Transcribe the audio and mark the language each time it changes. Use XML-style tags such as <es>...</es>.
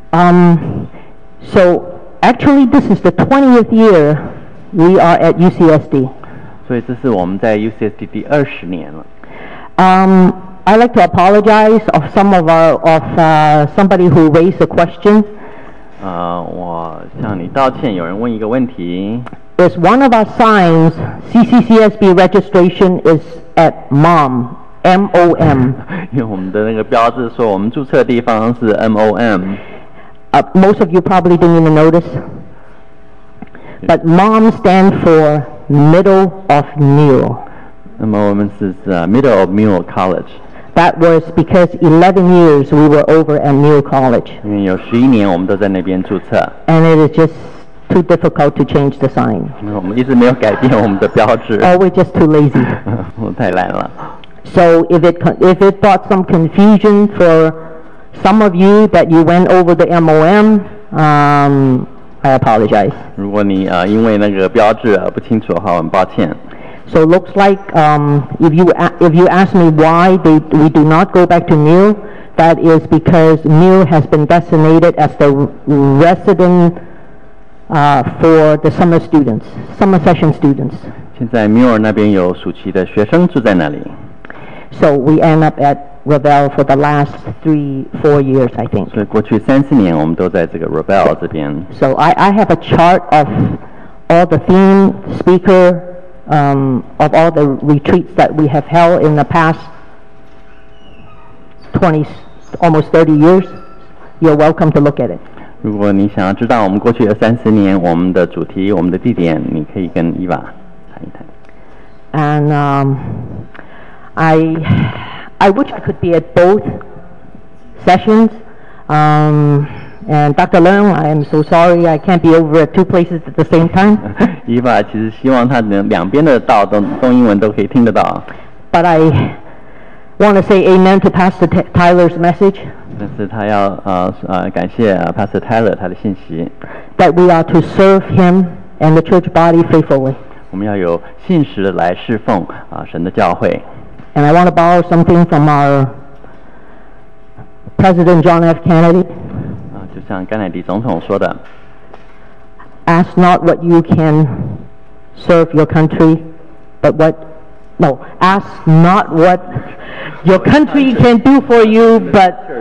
<en>So actually, this is the 20th year we are at UCSD.</en> <zh>所以这是我们在 UCSD 第20年了.</zh> <en>I like to apologize of some of our somebody who raised a question.</en> <zh>我向你道歉，有人问一个问题。</zh> <en>There's one of our signs, CCCSB registration is at MOM, M-O-M.</en> <zh>因为我们的那个标志说我们注册的地方是 M-O-M.</zh> <en>Most of you probably didn't even notice. But mom stands for middle of meal.</en> <zh>那么我们是、middle of meal college.</zh> <en>That was because 11 years we were over at meal college.</en> <zh>因为有11年我们都在那边注册。</zh> <en>And it is just too difficult to change the sign.</en> <zh>我们一直没有改变我们的标志。</zh> <en>Or we're just too lazy.</en> <zh>我太懒了。</zh> <en>So if it brought some confusion for some of you that you went over the MOM, I apologize.</en> <zh>如果你、因为那个标志、不清楚的话，很抱歉。</zh> <en>So it looks like if you ask me why we do not go back to Neil, that is because Neil has been designated as the resident for the summer session students.</en> <zh>现在 Muir 那边有暑期的学生住在那里。</zh> <en>So we end up at Revel for the last 3-4 years, I think.</en> <zh>所以过去三四年我们都在这个 Revel 这边。</zh> <en>So I have a chart of all the theme speaker, of all the retreats that we have held in the past 20, almost 30 years. You're welcome to look at it.</en> <zh>如果你想要知道我们过去的三四年我们的主题我们的地点，你可以跟 Eva 谈一谈。</zh> <en>And I wish I could be at both sessions. And Dr. Leung, I am so sorry I can't be over at two places at the same time.</en> <zh>Eva 其实希望她能两边的道中英文都可以听得到。</zh> <en>But I want to say amen to Pastor Tyler's message.</en> <zh>但是她要感谢 Pastor Tyler 他的信息。</zh> <en>That we are to serve him and the church body faithfully.</en> <zh>我们要有信实的来侍奉神的教会。</zh> <en>And I want to borrow something from our President John F. Kennedy.</en> <zh>就像甘乃迪总统说的。</zh> <en>Ask not what you can serve your country, but what... No, ask not what your country can do for you, but...</en>